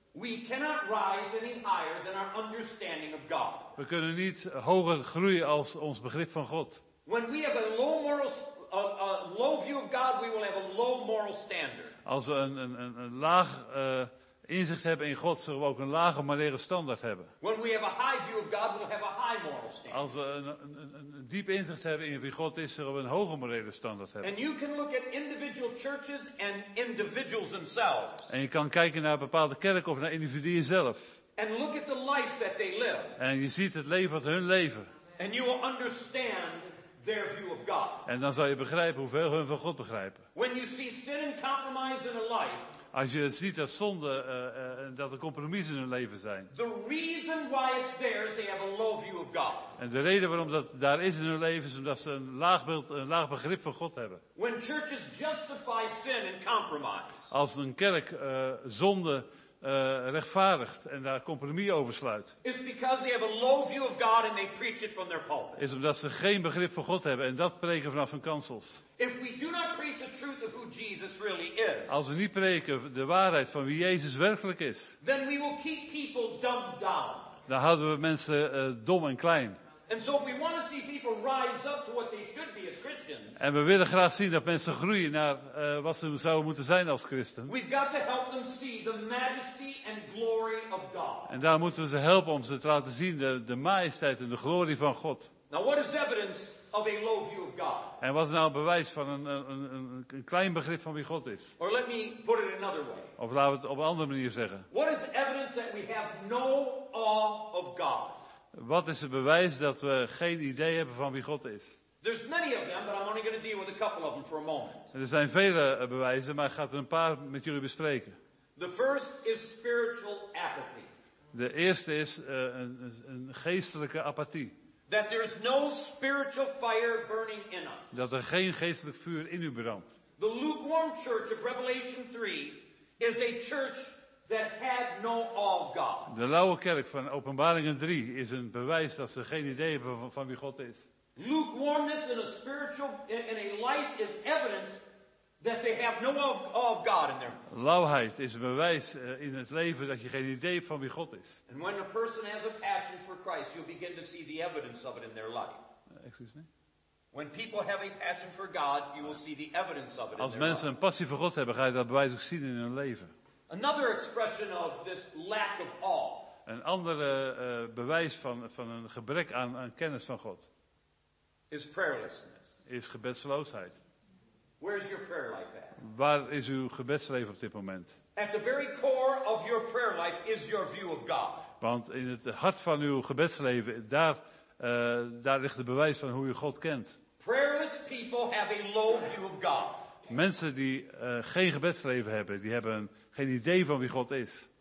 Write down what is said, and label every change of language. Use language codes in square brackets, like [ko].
[en] We cannot rise any higher than our understanding of God. [nl] We kunnen niet hoger groeien als ons begrip van God. [en] When we have a low moral low view of God, we will have a low moral standard. [nl] Als we een laag inzicht hebben in God, zullen we ook een lage morele standaard hebben. [en] When we have a high view of God, we'll have a high moral standard. [nl] Als we een diep inzicht hebben in wie God is, zullen we een hoge morele standaard hebben. [en] And you can look at individual churches and individuals themselves. [nl] En je kan kijken naar bepaalde kerken of naar individuen zelf. [en] And look at the life that they live. [nl] En je ziet het leven wat hun leven. [en] And you will understand their view of God. [nl] En dan zal je begrijpen hoeveel hun van God begrijpen. [en] When you see sin and compromise in a life. [nl] Als je ziet dat zonde en dat er compromissen in hun leven zijn. [en] The reason why it's there is they have a low view of God. [nl] En de reden waarom dat daar is in hun leven is omdat ze een laag begrip van God hebben. [en] When churches justify sin and compromise. [nl] Als een kerk zonde rechtvaardigt en daar compromis over sluit. [en] It's because they have a low view of God and they preach it from their pulpit. [nl] Is omdat ze geen begrip van God hebben en dat preken vanaf hun kansels. [en] If we do not preach the truth of who Jesus really is. [nl] Als we niet preken de waarheid van wie Jezus werkelijk is. [en] Then we will keep people dumbed down. [nl] Dan houden we mensen dom en klein. [en] And so if we want to see people rise up to what they should be as Christians. [nl] En we willen graag zien dat mensen groeien naar wat ze zouden moeten zijn als christen. [en] We've got to help them see the majesty and glory of God. [nl] En daar moeten we ze helpen om ze te laten zien de majesteit en de glorie van God. [en] Now what is evidence of a low view of God? [nl] En wat is nou een bewijs van een klein begrip van wie God is? [en] Or let me put it another way. [nl] Of laten we het op een andere manier zeggen. [en] What is evidence that we have no awe of God? [nl] Wat is het bewijs dat we geen idee hebben van wie God is? [en] There's many of them, but I'm only going to deal with a couple of them for a moment. [nl] Er zijn vele bewijzen, maar ik ga er een paar met jullie bespreken. [en] The first is spiritual apathy. [nl] De eerste is een geestelijke apathie. [en] That there's no spiritual fire burning in us. [nl] Dat er geen geestelijk vuur in u brandt. [en] The lukewarm church of Revelation 3 is a church that had no awe of God. [nl] De lauwe kerk van Openbaringen 3 is een bewijs dat ze geen idee hebben van wie God is. [en] Lukewarmness in a spiritual in a life is evidence that they have no awe of God in their life. [nl] Lauwheid is een bewijs in het leven dat je geen idee hebt van wie God is. [en] And when a person has a passion for Christ, you'll begin to see the evidence of it in their life. Excuse me. When people have a passion for God, you will see the evidence of it. [nl] Als mensen een passie voor God hebben, ga je dat bewijs ook zien in hun leven. [en] Another expression of this lack of awe. [nl] Een andere bewijs van een gebrek aan kennis van God. [en] Is prayerlessness. [nl] Is gebedsloosheid. [en] Where is your prayer life at? [nl] Waar is uw gebedsleven op dit moment? [en] At the very core of your prayer life is your view of God. [nl] Want in het hart van uw gebedsleven, daar ligt het bewijs van hoe u God kent. [en] Prayerless people have a low view of God. [nl] Mensen die geen gebedsleven hebben, die hebben een geen idee van wie God is.